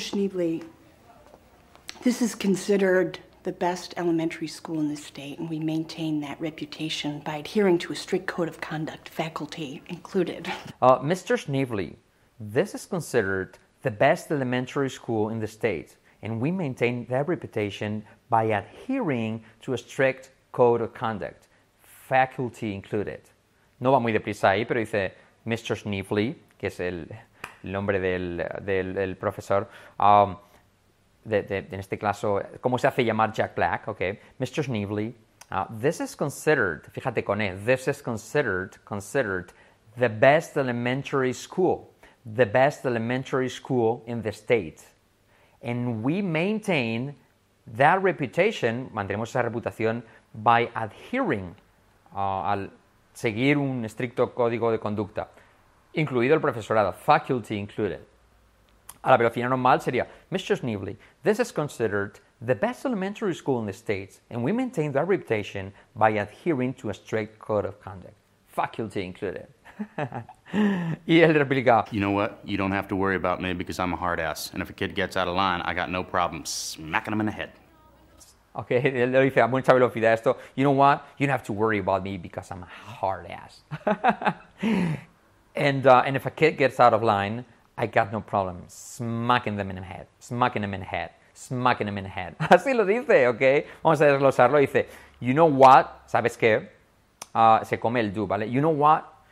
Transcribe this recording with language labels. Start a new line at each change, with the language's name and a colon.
English: Schneebly, this is considered the best elementary school in the state and we maintain that reputation by adhering to a strict code of conduct, faculty included. Mr. Schneebly, this is considered the best elementary school in the state and we maintain that reputation by adhering to a strict code of conduct, faculty included.
Spanish: No va muy deprisa ahí, pero dice Mr. Schneebly, que es el nombre del profesor, en este caso, ¿cómo se hace llamar Jack Black?
English: Okay. Mr. Schneebly, this is considered,
Spanish: fíjate con él,
English: this is considered the best elementary school, in the state. And we maintain that reputation,
Spanish: mantenemos esa reputación
English: by adhering,
Spanish: al seguir un estricto código de conducta, incluido el profesorado,
English: faculty included.
Spanish: A la velocidad normal sería,
English: Mr. Schneebly, this is considered the best elementary school in the States, and we maintain that reputation by adhering to a strict code of conduct, faculty included.
Spanish: Y él replica,
English: you know what? You don't have to worry about me because I'm a hard ass. And if a kid gets out of line, I got no problem smacking him in the head.
Spanish: Okay, él le dice a mucha velocidad esto.
English: You know what? You don't have to worry about me because I'm a hard ass. And if a kid gets out of line, I got no problem smacking them in the head. Smacking them in the head. Smacking them in the head.
Spanish: Así lo dice, okay? Vamos a desglosarlo. Dice,
English: you know what?
Spanish: ¿Sabes qué? Se come el do, ¿vale?
English: You know what?